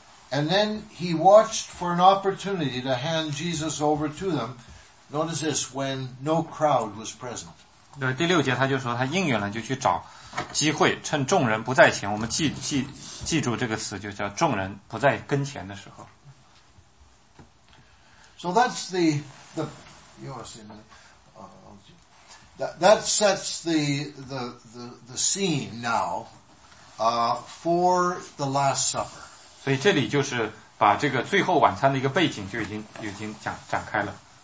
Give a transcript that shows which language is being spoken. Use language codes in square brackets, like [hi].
[en] And then he watched for an opportunity to hand Jesus over to them. Notice this, when no crowd was present. [zh] 对第六节他就说他应允了就去找机会趁众人不在前我们记住这个词就叫众人不在跟前的时候。 [en] So that's the you want to say a minute? That sets the scene now, for the Last Supper. [zh] 所以这里就是把这个最后晚餐的一个背景就已经展开了。